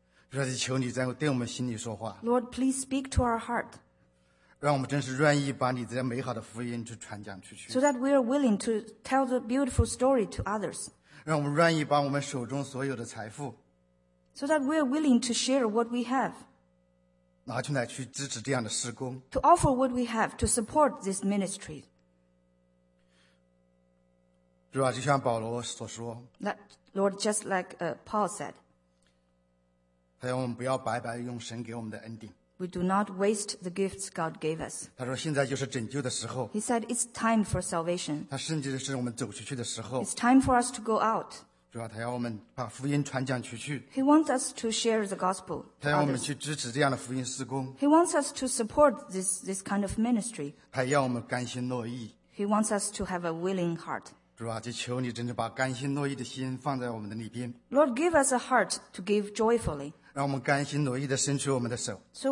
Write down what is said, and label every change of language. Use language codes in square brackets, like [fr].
[zh] 主啊，求你在对我们心里说话。 [en] Lord, please speak to our heart. [zh] 让我们真是愿意把你的美好的福音去传讲出去。 [en] So that we are willing to tell the beautiful story to others. [zh] 让我们愿意把我们手中所有的财富。 [en] So that we are willing to share what we have. [zh] 拿出来去支持这样的事工。 [en] To offer what we have to support this ministry. [zh] 主啊，就像保罗所说。 [en] Lord, just like Paul said. [zh] 他要我们不要白白用神给我们的恩典。 [en] We do not waste the gifts God gave us. [zh] 他说现在就是拯救的时候。 [en] He said it's time for salvation. [zh] 他甚至是我们走出去的时候。 [en] It's time for us to go out. [zh] 主啊，他要我们把福音传讲出去。 [en] He wants us to share the gospel. [zh] 他要我们去支持这样的福音事工。 [en] He wants us to support this kind of ministry. [zh] 他要我们甘心乐意。 [en] He wants us to have a willing heart. [zh] 主啊，就求你真正把甘心乐意的心放在我们的里边。 [en] Lord, give us a heart to give joyfully. [zh] 让我们甘心乐意地伸出我们的手。 [en] So